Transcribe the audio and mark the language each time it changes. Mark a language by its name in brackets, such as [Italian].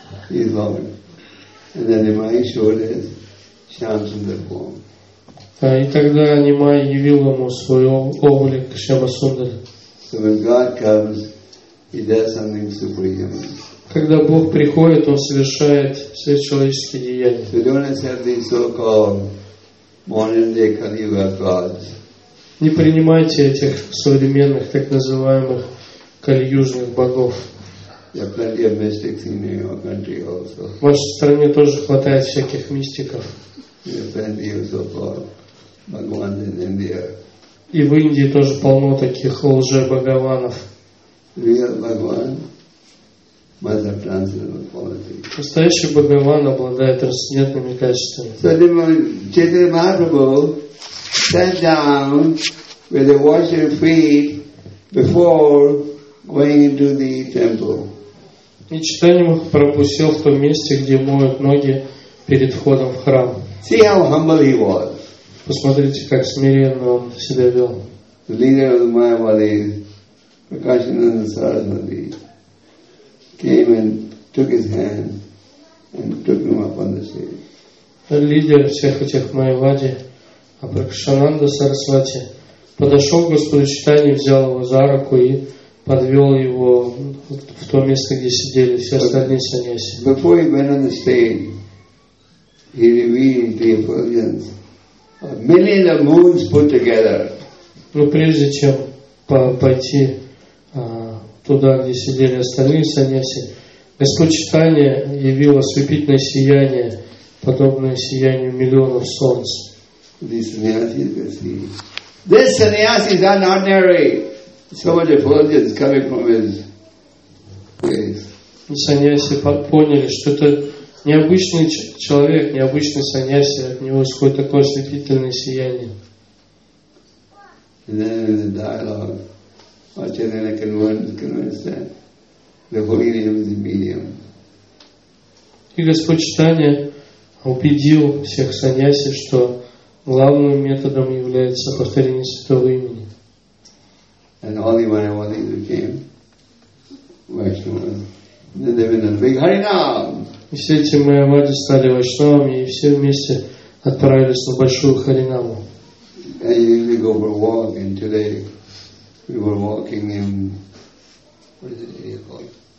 [Russian] И тогда Нимай явил ему свой облик Шьямасундара. [English] So when God comes, He does something supreme. [Russian] Когда Бог приходит, Он совершает сверхчеловеческие деяния. [English] So don't accept these so-called modern-day Kali Yuga gods. [Russian] Не принимайте этих современных так называемых калиюжных богов. [English] There are plenty of mystics in your country also. [Russian] В вашей стране тоже хватает всяких мистиков. И в Индии тоже полно таких лже-бхагаванов. Настоящий Бхагаван обладает трансцендентными качествами. И Чайтанья Махапрабху сел в том месте, где моют ноги перед входом в храм. [English] See how humble he was. [Russian] Посмотрите, как смиренно он себя вел. [English] The leader of the Mayavadis, Prakashananda Saraswati, came and took his hand and took him up on the stage. [Russian] Лидер всех этих Майавади, Прокашананда Сарасвати, подошел к Господу Чайтанье, взял его за руку и подвел его в то место, где сидели все остальные саньяси. [English] Before he went on the stage, he revealed the effulgence of millions of moons put together. [Russian] Но прежде чем пойти туда, где сидели остальные саньяси, Господь Чайтанья явил ослепительное сияние, подобное сиянию миллионов солнц. [English] This sannyasi is unordinary. So much effulgence coming from his face. [Russian] Саньяси поняли, что это необычный человек, необычный саньяси, от него исходит такое ослепительное сияние. [English] And then in the dialogue, Acharya convinced that the helium is a medium. [Russian] И Господь Чайтанья убедил всех саньяси, что главным методом является повторение святого имени. [English] And all the Mayavadis who came, Vaishnavas, then they went on a big harinam. [Russian] И все эти майавади стали вайшнавами и все вместе отправились на большую харинаму. [English] And you usually go for a walk, and today we were walking in, what is it called?